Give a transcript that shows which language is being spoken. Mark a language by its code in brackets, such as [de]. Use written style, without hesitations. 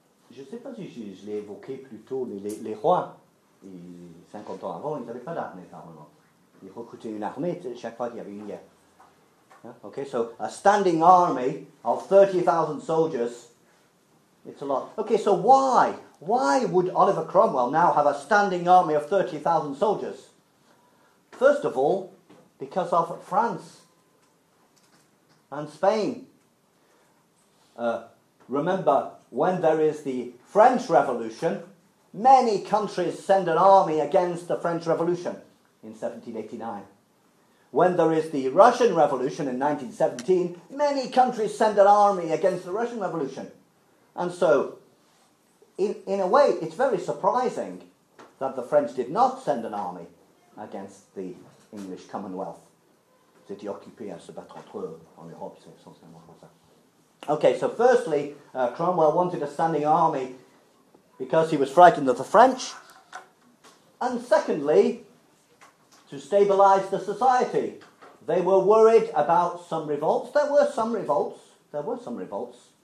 [fr] Je ne sais pas si je l'ai évoqué plus tôt, mais les rois, 50 ans avant, ils n'avaient pas d'armée permanente. Ils recrutaient une armée chaque fois qu'il y avait une guerre. [en] Yeah? Okay, so a standing army of 30,000 soldiers, it's a lot. Okay, so why? Why would Oliver Cromwell now have a standing army of 30,000 soldiers? First of all, because of France and Spain. Remember, when there is the French Revolution, many countries send an army against the French Revolution in 1789. When there is the Russian Revolution in 1917, many countries send an army against the Russian Revolution. And so, in a way, it's very surprising that the French did not send an army against the English Commonwealth. [fr] C'était occupé à se battre entre eux en Europe, c'est essentiellement comme ça. [en] Okay, so firstly, Cromwell wanted a standing army because he was frightened of the French. And secondly, to stabilise the society. They were worried about some revolts. There were some revolts. There were some revolts.